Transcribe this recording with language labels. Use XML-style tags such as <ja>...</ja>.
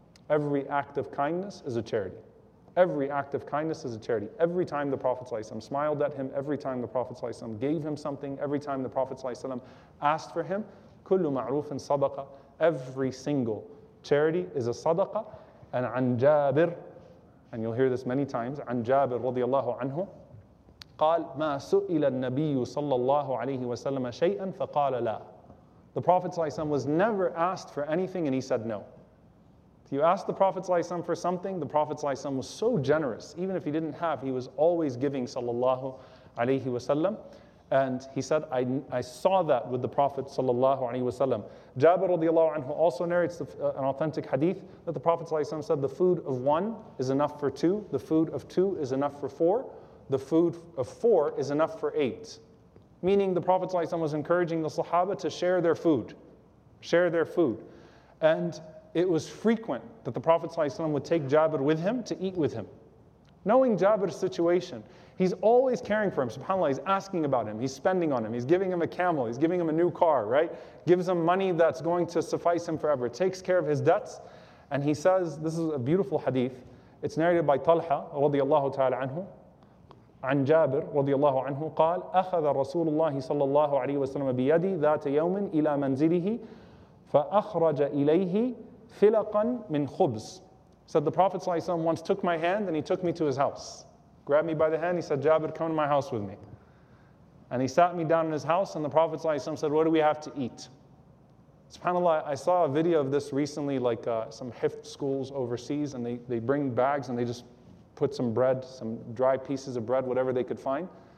<en>Every act of kindness is a charity. Every act of kindness is a charity. Every time the Prophet ﷺ smiled at him, every time the Prophet ﷺ gave him something, every time the Prophet ﷺ asked for him,</en> <ar>كُلُّ مَعْرُوفٍ صَدَقَةً.</ar> <en>Every single charity is a sadaqah.</en> <ar>And عَنْ جَابِرْ,</ar> <en>and you'll hear this many times,</en> <ar>عَنْ جَابِرْ رَضِيَ اللَّهُ عَنْهُ قَالْ مَا سُئِلَ النَّبِيُّ صَلَّى اللَّهُ عَلَيْهِ وَسَلَّمَ شَيْئًا فَقَالَ لَا.</ar> <en>The Prophet ﷺ was never asked for anything and he said no. You ask the Prophet ﷺ for something, the Prophet ﷺ was so generous. Even if he didn't have, he was always giving sallallahu alayhi wa sallam. And he said, I saw that with the Prophet sallallahu alayhi wa sallam. Jabir radiallahu anhu also narrates an authentic hadith that the Prophet ﷺ said, the food of one is enough for two, the food of two is enough for four, the food of four is enough for eight. Meaning the Prophet ﷺ was encouraging the Sahaba to share their food. Share their food. And it was frequent that the Prophet ﷺ would take Jabir with him to eat with him. Knowing Jabir's situation, he's always caring for him. SubhanAllah, he's asking about him. He's spending on him. He's giving him a camel. He's giving him a new car, right? Gives him money that's going to suffice him forever. Takes care of his debts. And he says, this is a beautiful hadith. It's narrated by Talha, radiallahu ta'ala anhu.</en> <ar>عن جابر رضي الله عنه قال أخذ رسول الله صلى الله عليه وسلم بيدي ذات يوم إلى منزله فأخرج إليه فلقا من خبز.</ar> <en>Said the Prophet صلى الله عليه وسلم once took my hand and he took me to his house. Grabbed me by the hand, he said, Jabir, come to my house with me. And he sat me down in his house and the Prophet صلى الله عليه وسلم said, what do we have to eat? SubhanAllah, I saw a video of this recently, like some hifd schools overseas, and they bring bags and they just put some bread, some dry pieces of bread, whatever they could find.</en>